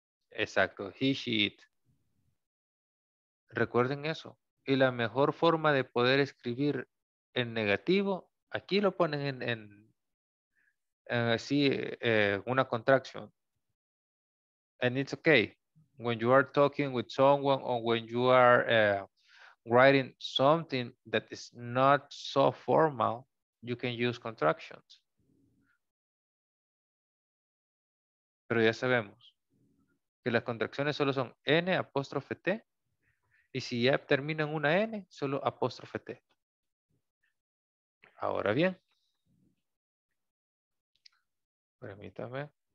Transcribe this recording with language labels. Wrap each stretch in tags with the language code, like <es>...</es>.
<es>Exacto, he, she, it. Recuerden eso. Y la mejor forma de poder escribir en negativo, aquí lo ponen en una contracción.</es> <en>And it's okay. When you are talking with someone or when you are writing something that is not so formal, you can use contractions.</en> <es>Pero ya sabemos que las contracciones solo son N apóstrofe T. Y si ya terminan una N, solo apóstrofe T. Ahora bien. Permítame.</es>